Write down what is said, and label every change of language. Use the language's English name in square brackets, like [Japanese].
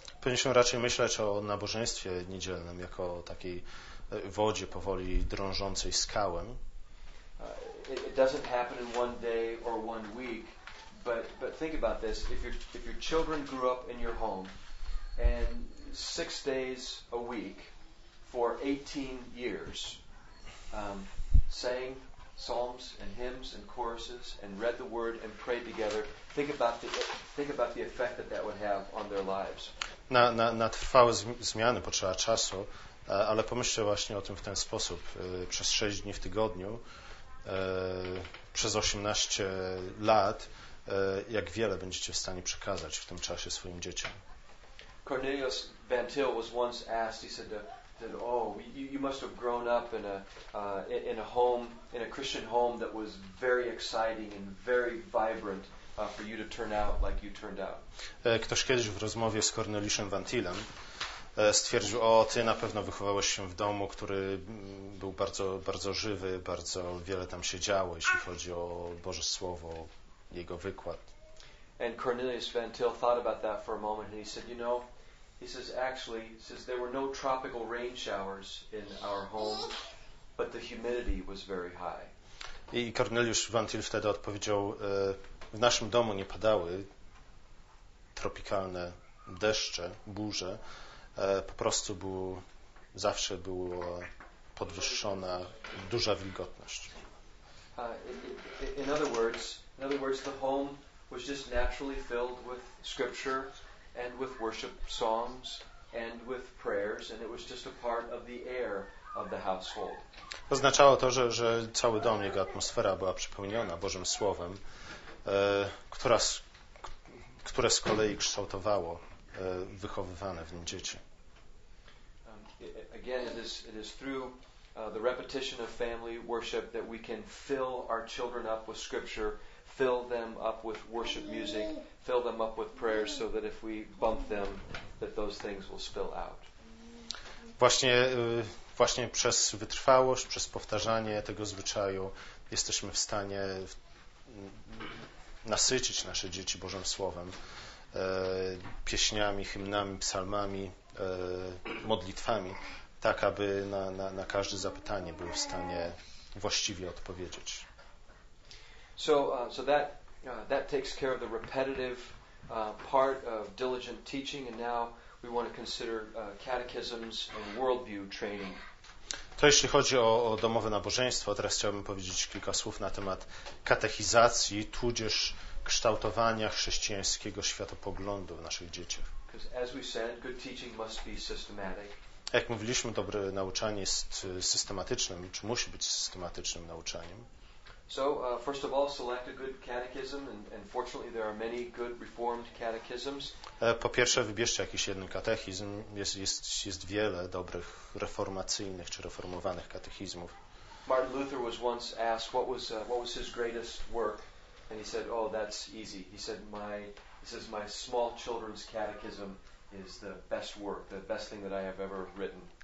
[Polish] Powinniśmy raczej myśleć o nabożeństwie niedzielnym jako o takiej wodzie powoli drążącej skałę. [English] It doesn't happen in one day or one week, but think about this: if your children grew up in your home, and 6 days a week for 18 years, sang psalms and hymns and choruses and read the word and prayed together, think about the effect that would have on their lives. [Polish] Na trwałe zmiany potrzeba czasu, ale pomyślcie właśnie o tym w ten sposób: przez 6 dni w tygodniu. Przez 18 lat, jak wiele będziecie w stanie przekazać w tym czasie swoim dzieciom. [English] Cornelius Van Til was once asked, he said, you must have grown up in a home, in a Christian home that was very exciting and very vibrant for you to turn out like you turned out. [Polish] Ktoś kiedyś w rozmowie z Corneliuszem Van Tilem stwierdził, ty na pewno wychowałeś się w domu, który był bardzo, bardzo żywy, bardzo wiele tam się działo, jeśli chodzi o Boże Słowo, jego wykład. [English] And Cornelius Van Til thought about that for a moment and he said, you know, he says, actually, he says, there were no tropical rain showers in our home, but the humidity was very high. [Polish] I Cornelius Van Til wtedy odpowiedział, w naszym domu nie padały tropikalne deszcze, burze, po prostu zawsze była podwyższona duża wilgotność. [English] In other words, the home was just naturally filled with scripture and with worship songs and with prayers, and it was just a part of the air of the household. [Polish] Oznaczało to, że cały dom, jego atmosfera była przepełniona Bożym Słowem, które z kolei kształtowało wychowywane w nim dzieci. [English] Again, it is through the repetition of family worship that we can fill our children up with scripture, fill them up with worship music, fill them up with prayers, so that if we bump them, that those things will spill out. [Polish] Właśnie przez wytrwałość, przez powtarzanie tego zwyczaju jesteśmy w stanie nasycić nasze dzieci Bożym Słowem, pieśniami, hymnami, psalmami, modlitwami, tak aby na każde zapytanie były w stanie właściwie odpowiedzieć. [English] So that takes care of the repetitive part of diligent teaching, and now we want to consider catechisms and worldview training. [Polish] To jeśli chodzi o domowe nabożeństwo, teraz chciałbym powiedzieć kilka słów na temat katechizacji, tudzież kształtowania chrześcijańskiego światopoglądu w naszych dzieciach. [English] Because as we said, good teaching must be systematic. [Polish] Jak mówiliśmy, dobre nauczanie jest systematycznym, czy musi być systematycznym nauczaniem. [English] So, first of all, select a good catechism, and fortunately there are many good reformed catechisms. [Polish] Po pierwsze, wybierzcie jakiś jeden katechizm. Jest wiele dobrych reformacyjnych czy reformowanych katechizmów. [English] Martin Luther was once asked what was his greatest work, and he said, "Oh, that's easy." He said, "My small children's catechism is the best work, the best thing that I have ever written."